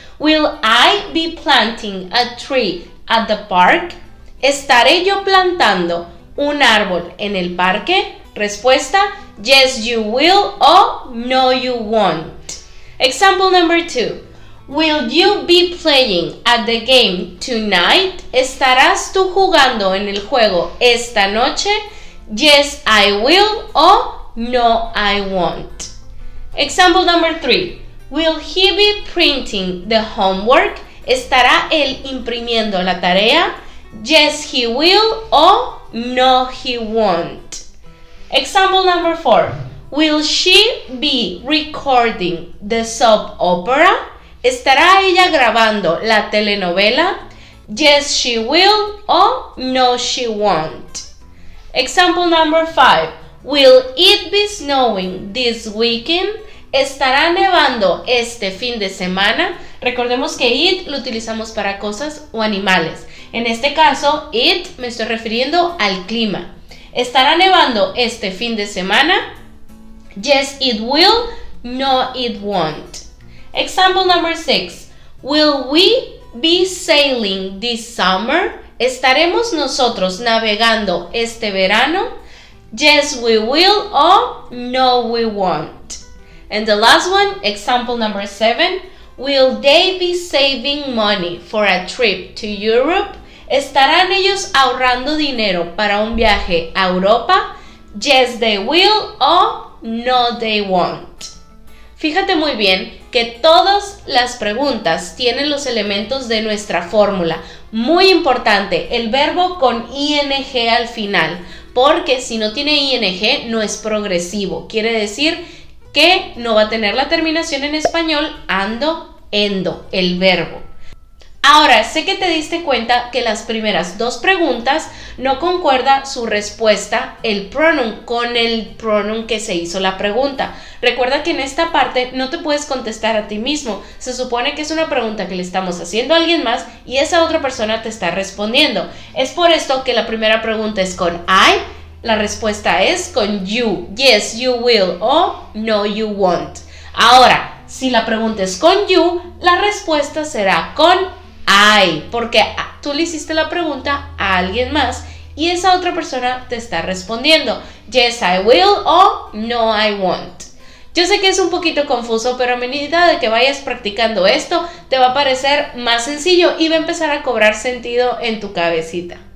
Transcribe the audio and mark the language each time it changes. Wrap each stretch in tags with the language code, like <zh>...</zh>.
<en>Will I be planting a tree at the park?</en> <es>¿Estaré yo plantando un árbol en el parque? Respuesta,</es> <en>yes you will o no you won't. Example number two. Will you be playing at the game tonight?</en> <es>¿Estarás tú jugando en el juego esta noche?</es> <en>yes, I will, o no, I won't. Example number 3. Will he be printing the homework?</en> <es>¿Estará él imprimiendo la tarea?</es> <en>Yes, he will, o no, he won't. Example number 4. Will she be recording the soap opera?</en> <es>¿Estará ella grabando la telenovela?</es> <en>Yes, she will, o no, she won't. Example number 5. Will it be snowing this weekend?</en> <es>¿Estará nevando este fin de semana? Recordemos que it lo utilizamos para cosas o animales. En este caso, it me estoy refiriendo al clima. ¿Estará nevando este fin de semana?</es> <en>Yes, it will. No, it won't. Example number 6. Will we be sailing this summer?</en> <es>¿Estaremos nosotros navegando este verano?</es> <en>Yes, we will, o no, we won't. And the last one, example number 7. Will they be saving money for a trip to Europe?</en> <es>¿Estarán ellos ahorrando dinero para un viaje a Europa?</es> <en>Yes, they will, o no, they won't.</en> <es>Fíjate muy bien que todas las preguntas tienen los elementos de nuestra fórmula. Muy importante, el verbo con ing al final, porque si no tiene ing no es progresivo. Quiere decir que no va a tener la terminación en español ando, endo, el verbo. Ahora, sé que te diste cuenta que las primeras dos preguntas no concuerda su respuesta, el pronoun, con el pronoun que se hizo la pregunta. Recuerda que en esta parte no te puedes contestar a ti mismo. Se supone que es una pregunta que le estamos haciendo a alguien más y esa otra persona te está respondiendo. Es por esto que la primera pregunta es con I, la respuesta es con you.</es> <en>Yes, you will, o no, you won't.</en> <es>Ahora, si la pregunta es con you, la respuesta será con I, porque tú le hiciste la pregunta a alguien más y esa otra persona te está respondiendo.</es> <en>Yes, I will, o no, I won't.</en> <es>Yo sé que es un poquito confuso, pero a medida de que vayas practicando esto, te va a parecer más sencillo y va a empezar a cobrar sentido en tu cabecita.</es>